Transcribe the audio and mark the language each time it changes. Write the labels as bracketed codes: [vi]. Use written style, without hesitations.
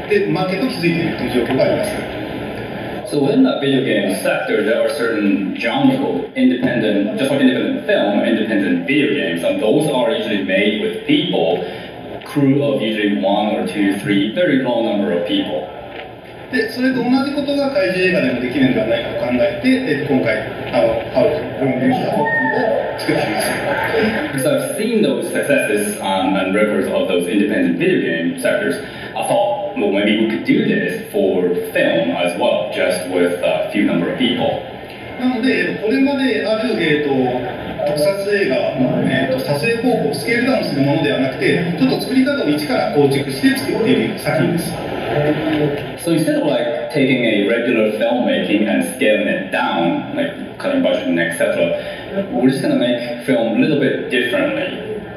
[ja] で、その中で、アメリカのアメリカとかインディペンデントゲームという世界が結構その1人2人の設定生産するチームのものが今世界で通じ、販売しているという、で、マーケットを築いているという状況があります。 [en] So within a video game sector, there are certain genre independent, just like independent film, independent video games, and those are usually made with people, crew of usually one or two, three, very low number of people. [ja] で、それと同じことが怪獣映画でもできるんではないかと考えて、今回、ハウルを作ってみました。 [en] So I've seen those successes and records of those independent video game sectors. I thought, well, maybe we could do this for film as well, just with a few number of people. [ja] なので、これまである特撮映画の撮影方法をスケールダウンするものではなくて、ちょっと作り方を一から構築して作っている作品です。 [en] So instead of like taking a regular filmmaking and scaling it down, like cutting budget and etc., we're just going to make film a little bit differently.